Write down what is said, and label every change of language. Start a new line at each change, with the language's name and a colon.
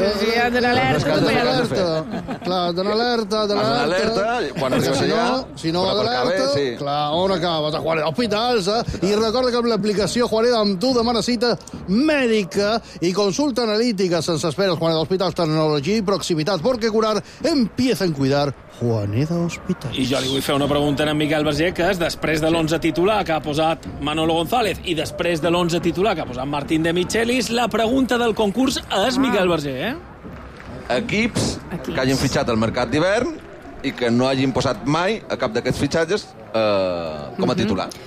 Catalan: Sí, de l'alerta. Clar, de l'alerta. Quan arriba allà, si no va de l'alerta, clar, on acabes? A Juaré d'Hospitals, eh? I recorda que amb l'aplicació Juaré amb tu demana cita mèdica i consulta analítica sense espera. Juaré d'Hospitals, tecnologia i proximitat.
Spanish: Porque curar, empieza en cuidar. Juaneda Hospital.
Catalan: I jo li vull fer una pregunta a en Miquel Verger, que és després de l'11 titular que ha posat Manolo González i després de l'11 titular que ha posat Martín de Michelis, la pregunta del concurs és, Miquel Verger, eh? Equips que hagin fitxat al mercat d'hivern i que no hagin posat mai a cap d'aquests fitxatges com a titular.